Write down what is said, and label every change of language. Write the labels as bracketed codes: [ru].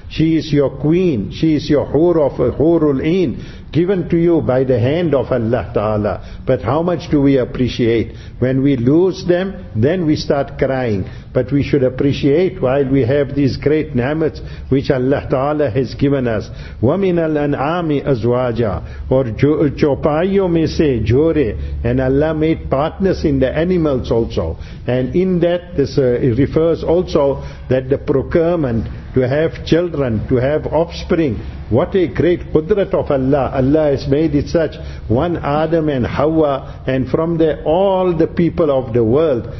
[en] She is your queen. She is your hur of hurul in, given to you by the hand of Allah Ta'ala. But how much do we appreciate? When we lose them, then we start crying. But we should appreciate while we have these great ni'mats which Allah Ta'ala has given us. [ar] وَمِنَ الْأَنْعَامِ أَزْوَاجًا [ur] or چوپائیوں میں سے جورے. [en] And Allah made partners in the animals also. And in that, this refers also that the procurement to have children, to have offspring. What a great qudrat of Allah. Allah has made it such. One Adam and Hawa, and from there all the people of the world.